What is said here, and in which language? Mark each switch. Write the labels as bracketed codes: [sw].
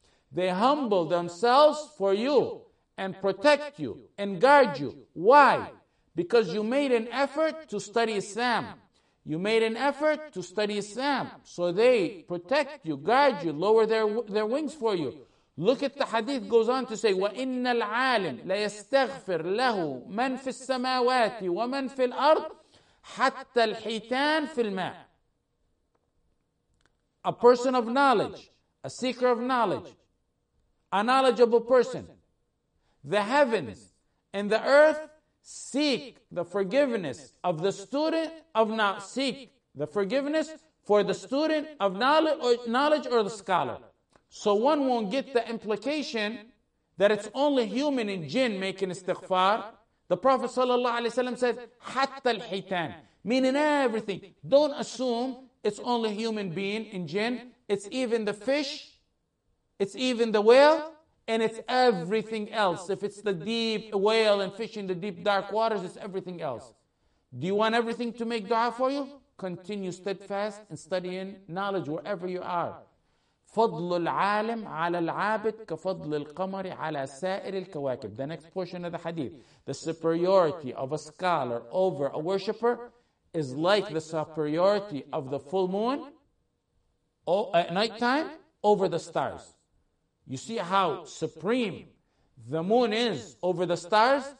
[en] They humble themselves for you and protect you and guard you. Why? Because you made an effort to study Islam. You made an effort to study Islam. So they protect you, guard you, lower their wings for you. Look at the hadith goes on to say, [ar] وَإِنَّ الْعَالِمْ لَيَسْتَغْفِرْ لَهُ مَنْ فِي السَّمَاوَاتِ وَمَنْ فِي الْأَرْضِ حَتَّى الْحِيْتَانِ فِي الْمَاءِ. [en] A person of knowledge, a seeker of knowledge, a knowledgeable person, the heavens and the earth seek the forgiveness of the student of knowledge, seek the forgiveness for the student of knowledge or the scholar. So one won't get the implication that it's only human and jinn making istighfar. The Prophet ﷺ said, [ar] حتى الحيتان, [en] meaning everything. Don't assume it's only human being and jinn. It's even the fish. It's even the whale. And it's everything else. If it's the deep whale and fish in the deep dark waters, it's everything else. Do you want everything to make dua for you? Continue steadfast in studying knowledge wherever you are. [ar] فضل العالم على العابد كفضل القمر على سائر الكواكب. [en] The next portion of the hadith. The superiority of a scholar over a worshipper is like the superiority of the full moon at nighttime over the stars. You see how supreme the moon is over the stars?